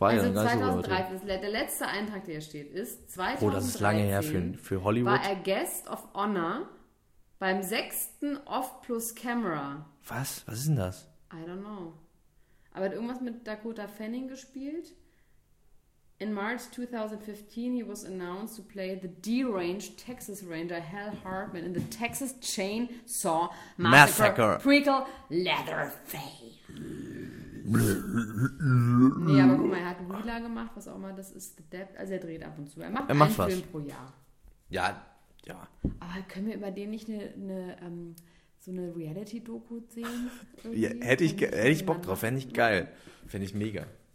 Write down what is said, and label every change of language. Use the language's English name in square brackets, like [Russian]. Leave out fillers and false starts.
[German] wahrscheinlich ganz so. Also 2013, der letzte Eintrag, der hier steht, ist 2013. Oh, das ist lange her für Hollywood. War er Guest of Honor beim 6. Off Plus Camera. Was? Was ist denn das? [English] I don't know. [German] Aber er hat irgendwas mit Dakota Fanning gespielt. [English] In March 2015, he was announced to play the deranged Texas Ranger Hal Hartman in the Texas Chainsaw Massacre prequel Leatherface. [German] Nee, aber guck mal, er hat Wheeler gemacht, was auch immer. Das ist The Depth. Also er dreht ab und zu. Er macht einen was. Film pro Jahr. Ja, ja. Aber können wir über den nicht so eine Reality-Doku sehen? Ja, hätte ich Bock drauf. Fände ich geil. Fände ich mega.